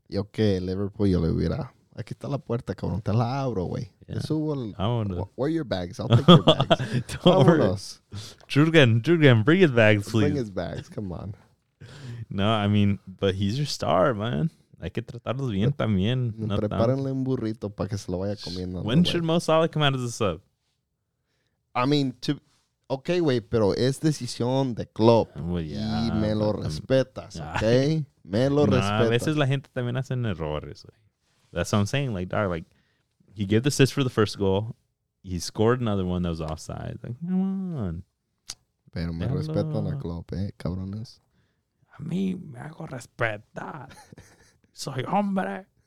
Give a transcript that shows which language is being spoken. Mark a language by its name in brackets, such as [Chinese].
[Spanish] Yo que Liverpool yo le hubiera. Aquí está la puerta, cabrón. Te la abro, güey. [English] Where are your bags? I'll take your bags. Don't worry. Jurgen, bring his bags, please. Bring his bags. Come on. No, I mean, but he's your star, man. [Spanish] Hay que tratarlos bien también. Prepárenle un burrito para que se lo vaya comiendo. [English] When should Mo Salah come out of the sub? I mean, okay, [Spanish] güey, pero es decisión de club. [English] Well, yeah, [Spanish] y me lo respetas, okay? Me lo respetas. A veces la gente también hacen errores, güey. [English] That's what I'm saying. Like, dog, like, he gave the assist for the first goal. He scored another one that was offside. Like, come on. [Spanish] Pero me respetan a club, eh, cabrones. A mí me hago respetar. Soy hombre.